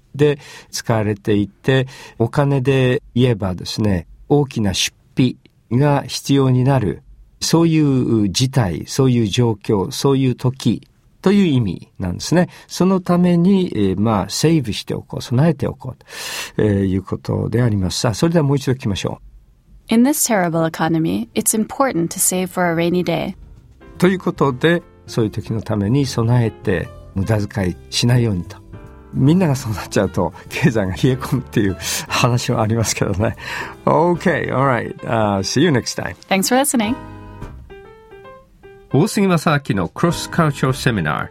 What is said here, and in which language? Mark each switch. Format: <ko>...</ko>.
<ja>で使われていて、お金で言えばですね、大きな出費が必要になる、そういう事態、そういう状況、そういう時という意味なんですね。そのために、まあセーブしておこう、備えておこうということであります。さあ、それではもう一度聞きましょう。</ja> <en>In this terrible economy, it's important to save for a rainy day.</en> <ja>ということで、そういう時のために備えて無駄遣いしないようにと。みんながそうなっちゃうと経済が冷え込むっていう話もありますけどね。</ja> <en>OK, alright, see you next time. Thanks for listening.</en> <ja>大杉正明のクロスカルチャーセミナ</ja>